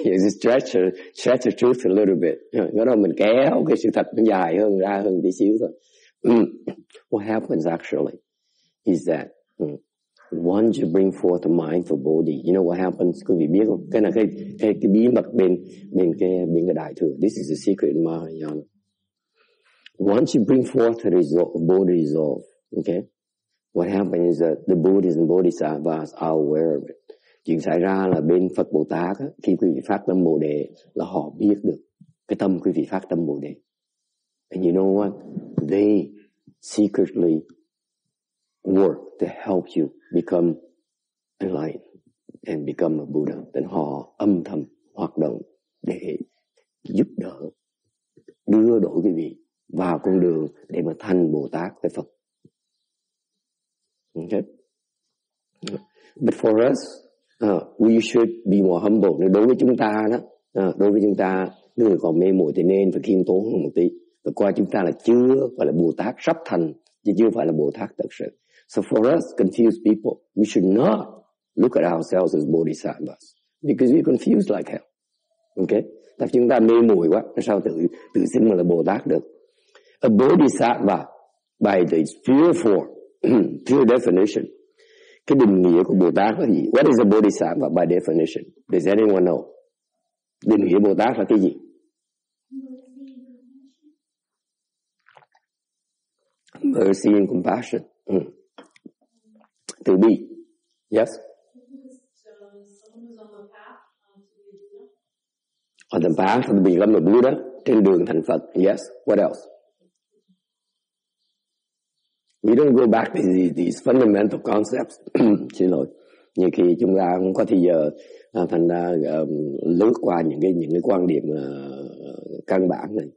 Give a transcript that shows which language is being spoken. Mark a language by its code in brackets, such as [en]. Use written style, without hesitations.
[en] It's just stretched the truth a little bit. [vi] Nó đó mình kéo cái sự thật nó dài hơn, ra hơn tí xíu thôi. [en] What happens actually is that once you bring forth the mind for Bodhi, you know what happens? [vi] Quý vị biết không? Cái này cái bí mật bên cái đại thừa. [en] This is the secret in Mahayana. Once you bring forth the Bodhi resolve, okay? What happens is that the Buddhists and Bodhisattvas are aware of it. [vi] Chuyện xảy ra là bên Phật Bồ Tát, khi quý vị phát tâm Bồ Đề, là họ biết được cái tâm quý vị phát tâm Bồ Đề. [en] And you know what? They secretly work to help you become enlightened and become a Buddha. [vi] Then họ âm thầm hoạt động để giúp đỡ, đưa đổi quý vị vào con đường để mà thành Bồ Tát với Phật. [en] Okay. But for us, we should be more humble. [vi] Đối với chúng ta đó, đối với chúng ta, người còn mê muội thì nên phải khiêm tốn một tí. Và coi chúng ta là chưa phải là Bồ Tát sắp thành, chứ chưa phải là Bồ Tát thật sự. [en] So for us, confused people, we should not look at ourselves as bodhisattvas because we're confused like hell. Okay? [vi] Tại chúng ta mê muội quá, sao tự xưng mà là Bồ Tát được? [en] A bodhisattva, by the pure form, pure definition, [vi] cái định nghĩa của Bồ Tát là gì? [en] What is a bodhisattva by definition? Does anyone know? [vi] Định nghĩa Bồ Tát là cái gì? [en] Mercy and compassion. [vi] Từ bi. [en] Yes? On the path to become a Buddha. [vi] Trên đường thành Phật. [en] Yes? What else? We don't go back to these fundamental concepts. [vi] Xin lỗi. Như khi chúng ta không có thời giờ thành ra lướt qua những cái quan điểm căn bản này.